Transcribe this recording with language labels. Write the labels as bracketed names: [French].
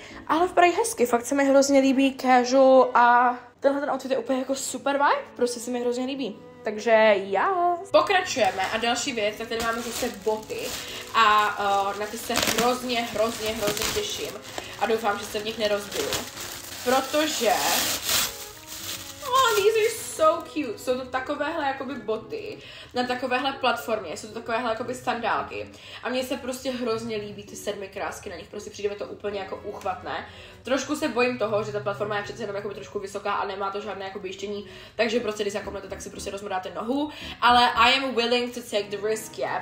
[Czech] Ale vypadají hezky, fakt se mi hrozně líbí casual a tenhle ten outfit je úplně jako super vibe, prostě se mi hrozně líbí. Takže já. Pokračujeme a další věc, tak tady máme zase boty a na ty se hrozně těším a doufám, že se v nich nerozbiju. Protože [English] these are so cute. [Czech] Jsou to takovéhle jakoby boty na takovéhle platformě, jsou to takovéhle jakoby sandálky a mně se prostě hrozně líbí ty sedmi krásky na nich, prostě přijde mi to úplně jako uchvatné. Trošku se bojím toho, že ta platforma je přece jenom jakoby trošku vysoká a nemá to žádné jakoby jištění, takže prostě když zakopnete, tak si prostě rozmrdáte nohu, ale [English] I am willing to take the risk, yeah.